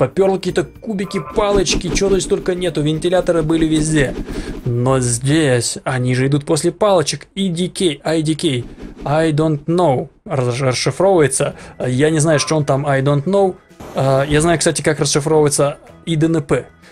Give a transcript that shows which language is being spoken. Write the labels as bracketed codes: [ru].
[ru] Поперло какие-то кубики, палочки, чего здесь только нету. Вентиляторы были везде. Но здесь они же идут после палочек. [en] IDK, IDK, I don't know, [ru] расшифровывается. Я не знаю, что он там, [en] I don't know. [ru] Я знаю, кстати, как расшифровывается IDNP.